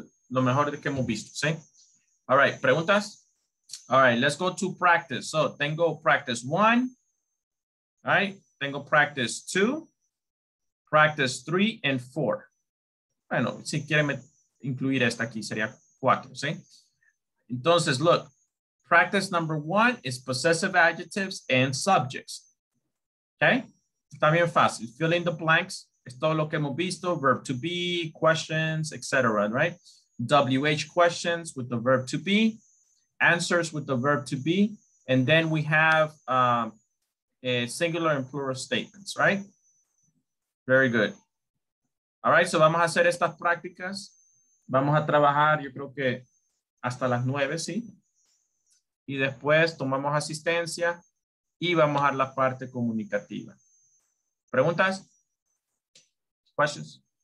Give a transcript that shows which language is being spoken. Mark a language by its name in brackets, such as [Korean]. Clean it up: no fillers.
[Spanish] Lo mejor que hemos visto, ¿sí? [English] All right. [Spanish] ¿Preguntas? All right. [English] Let's go to practice. So [Spanish] tengo [English] practice one. All right. [Spanish] Tengo [English] practice two. Practice three and four. [Spanish] Bueno, si quieren incluir esta aquí, sería cuatro, ¿sí? Entonces, [English] look, practice number one is possessive adjectives and subjects. [Spanish] Okay? Está bien fácil. [English] Fill in the blanks. [Spanish] Es todo lo que hemos visto. [English] Verb to be, questions, etc., right? WH questions with the verb to be. Answers with the verb to be. And then we have a singular and plural statements, right? Very good. All right, [Spanish] so vamos a hacer estas prácticas. Vamos a trabajar, yo creo que hasta las 9, ¿sí? Y después tomamos asistencia y vamos a la parte comunicativa. ¿Preguntas? [English] Questions?